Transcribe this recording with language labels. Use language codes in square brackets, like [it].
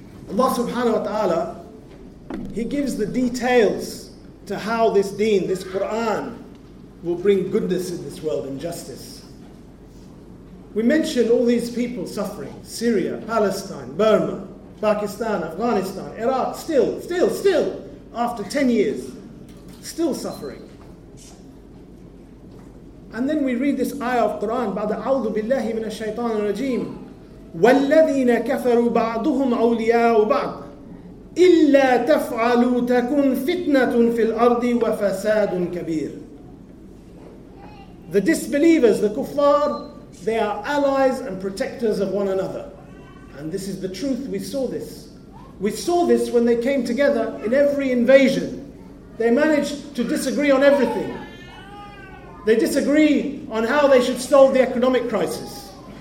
[en] Allah subhanahu wa ta'ala, He gives the details to how this deen, this Quran, will bring goodness in this world and justice. We mentioned all these people suffering: Syria, Palestine, Burma, Pakistan, Afghanistan, Iraq, still, after 10 years, still suffering. And then we read this ayah of Quran, [ar] بعد أعوذ بالله من الشيطان الرجيم وَالَّذِينَ كَفَرُوا بَعْضُهُمْ أَوْلِيَاءُ بَعْضٍ إِلَّا تَفْعَلُوا تَكُنْ فِتْنَةٌ فِي الْأَرْضِ وَفَسَادٌ كَبِيرٌ. [en] The disbelievers, the kuffar, they are allies and protectors of one another. And this is the truth, we saw this. We saw this when they came together in every invasion. They managed to disagree on everything. They disagree on how they should solve the economic crisis.